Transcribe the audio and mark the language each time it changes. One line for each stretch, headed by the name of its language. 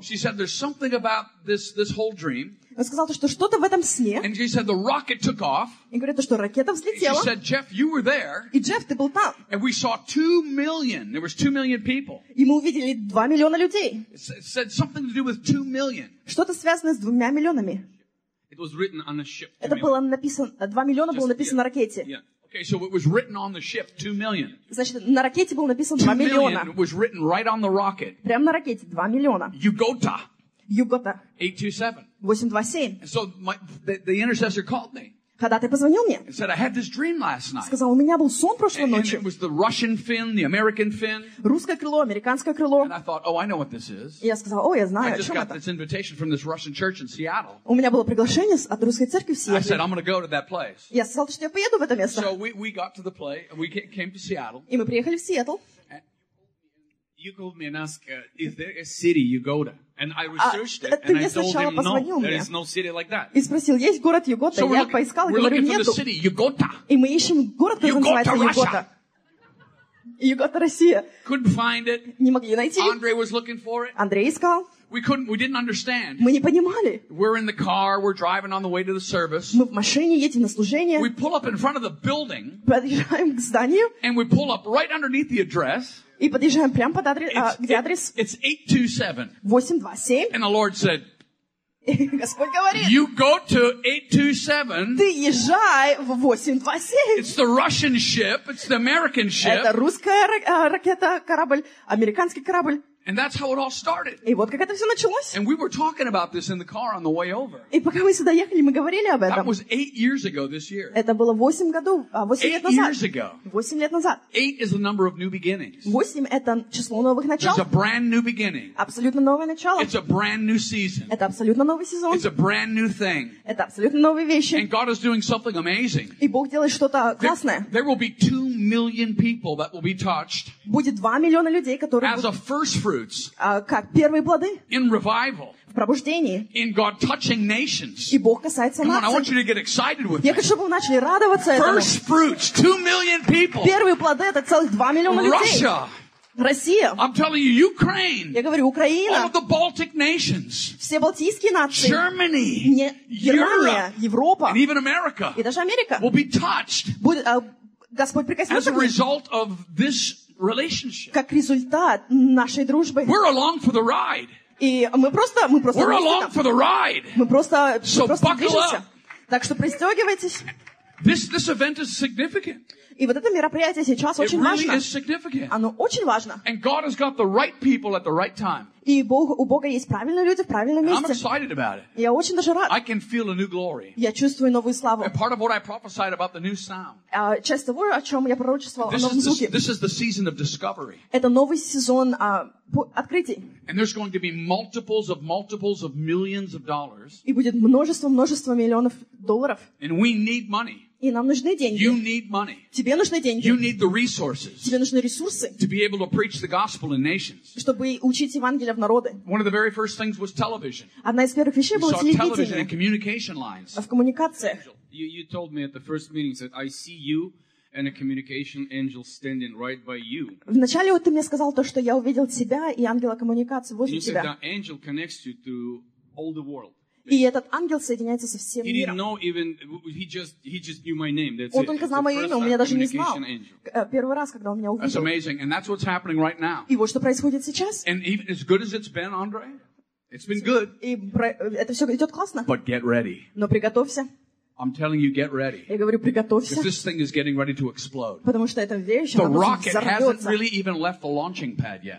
English: She said, "There's something about this whole dream."
Russian: Она сказала, что что-то в этом сне.
English: And she said, "The rocket took off."
Russian: И говорит, что ракета взлетела.
English: She said, "Jeff, you were there."
Russian: И Джефф, ты был там.
English: And we saw 2 million. There was 2 million people.
Russian: И мы увидели 2 миллиона людей.
English: It said something to do with 2 million.
Russian: Что-то связанное с 2 миллионами.
English: It was written on a ship.
Russian: Это было написано. 2 миллиона было написано на ракете.
English: Yeah. Okay, so it was written on the ship, 2 million.
Russian: Значит, на ракете было написано 2 миллиона.
English: 2 million was written right on the rocket.
Russian: Прямо на ракете 2 миллиона. Yugota. Yugota. 827. 827.
English: And so the intercessor called me.
Russian: Ходатай позвонил мне.
English: And said, "I had this dream last night."
Russian: Сказал, у меня был сон прошлой ночью.
English: And it was the Russian fin, the American fin.
Russian: Русское крыло, американское крыло.
English: And I thought, "Oh, I know what this is."
Russian: Я сказал, о, я знаю, о чем это.
English: I just got this invitation from this Russian church in Seattle.
Russian: У меня было приглашение от русской церкви в Сиэтле.
English: I said, "I'm going to go to that place."
Russian: Я сказал, что я поеду в это место.
English: So we got to the place, and we came to Seattle.
Russian: И мы приехали в Сиэтл.
English: You called me and asked, "Is there a city you go to?" And I researched it, and I told him, "No, there is no city like that."
Russian: И спросил, есть город Югота? Я поискал, и говорю, нету.
English: We're looking for the city Югота.
Russian: И мы ищем город, который называется Югота. Югота, Россия.
English: Couldn't find it.
Russian: Не могли найти.
English: Andre was looking for it.
Russian: Андрей искал.
English: We didn't understand.
Russian: Мы не понимали.
English: We're in the car. We're driving on the way to the service.
Russian: Мы в машине едем на служение.
English: We pull up in front of the building.
Russian: Подъезжаем к зданию.
English: And we pull up right underneath the address.
Russian: И подъезжаем прямо под адрес, где адрес? It's 827. 827.
English: And the Lord said,
Russian: Господь говорит,
English: "You go to 827."
Russian: Ты езжай в 827.
English: It's the Russian ship. It's the American ship.
Russian: Это русская ракета, корабль, американский корабль.
English: And that's how it all started.
Russian: И вот как это все началось.
English: And we were talking about this in the car on the way over.
Russian: И пока мы сюда ехали, мы говорили об этом.
English: That was 8 years ago this year.
Russian: Это было 8 лет назад. 8 лет назад.
English: 8 is the number of new beginnings.
Russian: 8 это число новых начал.
English: It's a brand new beginning.
Russian: Абсолютно новое начало.
English: It's a brand new season.
Russian: Это абсолютно новый сезон.
English: It's a brand new thing.
Russian: Это абсолютно новые вещи.
English: And God is doing something amazing.
Russian: И Бог делает что-то классное.
English: There will be 2 million people that will be touched.
Russian: Будет 2 миллиона людей, которые будут.
English: As a first fruit.
Russian: Как первые плоды
English: in revival,
Russian: в пробуждении
English: in God touching nations.
Russian: И Бог касается
English: Come
Russian: нации.
English: On, I want you to get excited with
Russian: Я хочу, чтобы вы начали радоваться
English: First
Russian: этому.
English: First fruits, 2 million people.
Russian: Первые плоды — это целых 2 миллиона
English: Russia.
Russian: Людей. Россия.
English: I'm telling you, Ukraine.
Russian: Я говорю, Украина.
English: All of the Baltic nations.
Russian: Все балтийские нации.
English: Germany.
Russian: Германия.
English: Europe,
Russian: Европа.
English: And even America.
Russian: И даже Америка.
English: Will be touched.
Russian: Будет, Господь прикоснется.
English: As a result of this relationship.
Russian: Как результат нашей дружбы.
English: We're along for the ride.
Russian: И мы просто
English: We're along for the ride.
Russian: Мы просто движемся. Так что пристегивайтесь.
English: This event is significant.
Russian: И вот это мероприятие сейчас
English: It
Russian: очень
English: really
Russian: важно.
English: Is significant.
Russian: Оно очень важно.
English: And God has got the right people at the right time.
Russian: И у Бога есть правильные люди в правильном месте.
English: And I'm excited about it.
Russian: Я очень даже рад.
English: I can feel a new glory.
Russian: Я чувствую новую славу.
English: And part of what I prophesied about the new sound.
Russian: Часть того, о чем я пророчествовал о новом звуке.
English: This is the season of discovery.
Russian: Это новый сезон открытий.
English: And there's going to be multiples of millions of dollars.
Russian: И будет множество миллионов долларов.
English: And we need money.
Russian: И нам нужны деньги.
English: You need money.
Russian: Тебе нужны деньги.
English: You need the resources.
Russian: Тебе нужны ресурсы.
English: To be able to preach the gospel in nations.
Russian: Чтобы учить Евангелие в народы.
English: One of the very first things was television.
Russian: Одна из первых вещей была телевидение.
English: We saw television and communication lines.
Russian: В коммуникациях.
English: You told me at the first meeting that I see you and a communication angel standing right by you.
Russian: Вначале вот ты мне сказал то, что я увидел тебя и ангела коммуникации возле тебя.
English: And you said that angel connects you to all the world.
Russian: И этот ангел соединяется со всем миром.
English: He didn't know even, he just knew my name. That's
Russian: он только знал мое имя, он меня даже не знал. Первый раз, когда он меня увидел.
English: That's amazing. And that's what's happening right now.
Russian: И вот что происходит сейчас.
English: And even, as good as it's been, Andre, it's been good.
Russian: И это все идет классно.
English: But get ready.
Russian: Но приготовься.
English: I'm telling you, get ready.
Russian: Я говорю, приготовься.
English: This thing is getting ready to explode.
Russian: Потому что эта вещь,
English: the rocket hasn't really even left the launching pad yet.